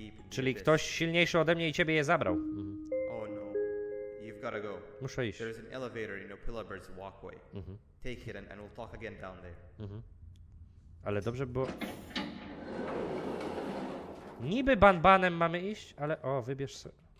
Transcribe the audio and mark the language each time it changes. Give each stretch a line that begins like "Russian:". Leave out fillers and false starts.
Polish: Czyli ktoś silniejszy ode mnie i ciebie je zabrał.
English: Mm-hmm. Oh no. You've gotta go.
Polish: Muszę iść.
English: There's an elevator in Opilabird's walkway. Mm-hmm. Take it and we'll talk again down there. Mm-hmm.
Polish: Ale dobrze było. Niby banbanem mamy iść, ale o, wybierz se.